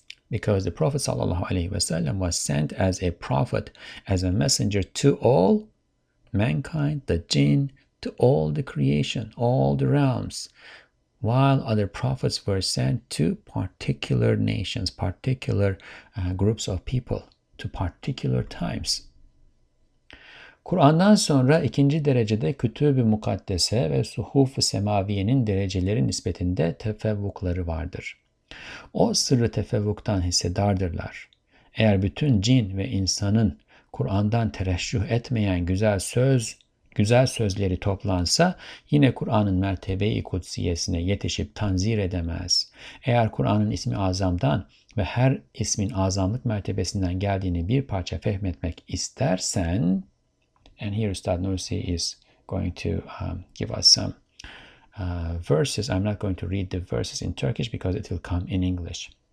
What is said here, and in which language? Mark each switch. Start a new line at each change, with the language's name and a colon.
English: Because the Prophet sallallahu alaihi wasallam was sent as a prophet, as a messenger to all mankind, the jinn, to all the creation, all the realms, while other prophets were sent to particular nations, particular groups of people, to particular times.
Turkish: Kur'an'dan sonra ikinci derecede kütüb-i mukaddese ve suhuf-ı semaviyenin dereceleri nispetinde tefevvukları vardır. O sırrı tefevvuktan hissedardırlar. Eğer bütün cin ve insanın Kur'an'dan tereşşüh etmeyen güzel sözleri toplansa yine Kur'an'ın mertebe-i kutsiyesine yetişip tanzir edemez. Eğer Kur'an'ın ismi azamdan ve her ismin azamlık mertebesinden geldiğini bir parça fehmetmek istersen,
English: and here Ustad Nursi is going to give us some verses. I'm not going to read the verses in Turkish because it will come in English.